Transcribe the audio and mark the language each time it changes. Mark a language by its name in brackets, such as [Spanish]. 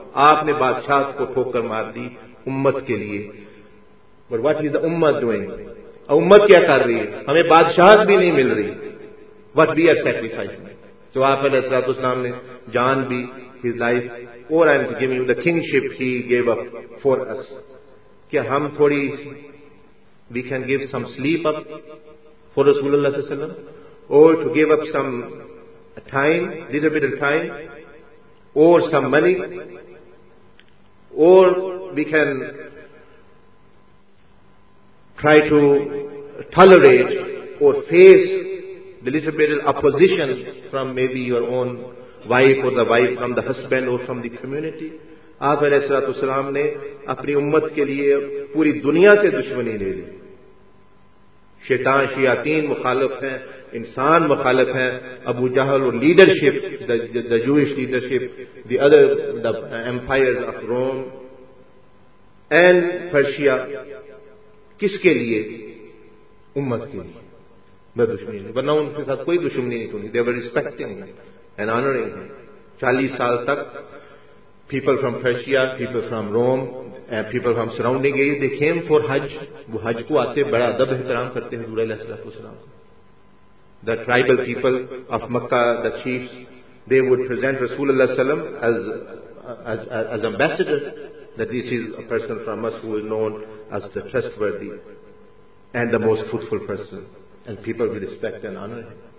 [Urdu] آپ نے بادشاہ کو ٹھوکر مار دی امت کے لیے. [English] But what is the امت doing? [Urdu] امت کیا کر رہی ہے؟ ہمیں بادشاہ بھی نہیں مل رہی, [English] What we are sacrificing. [Urdu] تو آپ علیہ الصلوۃ والسلام نے جان بھی, [English] his life, اور I am giving you the kingship he give up for us, [Urdu] کہ ہم تھوڑی [English] We can give some sleep up for Rasulullah sallallahu alayhi wa sallam, or to give up some time, little bit of time, or some money, or we can try to tolerate or face the little bit of opposition from maybe your own wife or the wife from the husband or from the community. [Urdu] آپ علیہ الصلوۃ والسلام نے اپنی امت کے لیے پوری دنیا سے دشمنی لے لی. شیطان شیاطین مخالف ہیں, انسان مخالف ہیں, ابو جہل اور leadership, [English] the Jewish leadership, the other the empire of Rome and Persia, [Urdu] کس کے لیے؟ امت کے لیے. نہ دشمنی, ورنہ ان کے ساتھ کوئی دشمنی نہیں تھی. [English] They were respecting and honouring. [Urdu] 40 سال تک [English] people from Persia, people from Rome, and people from surrounding areas, they came for Hajj. [Urdu] وہ حج کو آتے بڑا ادب احترام کرتے ہیں حضور علیہ السلام. [English] The tribal people of Makkah, the chiefs, they would present Rasulullah sallallahu alaihi wasallam as ambassador, that this is a person from us who is known as the trustworthy and the most fruitful person, and people will respect and honor him.